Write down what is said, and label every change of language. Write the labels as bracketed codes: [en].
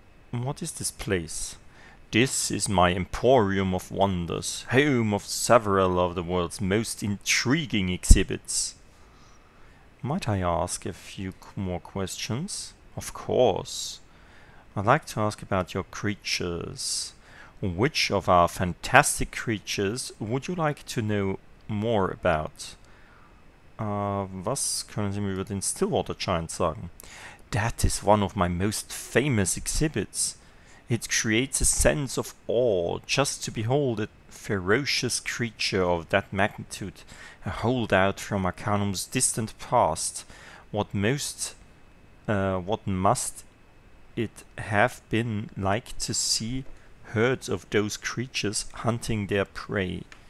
[en] What is this place? This is my emporium of wonders, home of several of the world's most intriguing exhibits. Might I ask a few more questions? Of course. I'd like to ask about your creatures. Which of our fantastic creatures would you like to know more about? [de] Was können Sie mir über den Stillwater Giant sagen? [en] That is one of my most famous exhibits. It creates a sense of awe just to behold a ferocious creature of that magnitude, a holdout from Arcanum's distant past. What must it have been like to see herds of those creatures hunting their prey?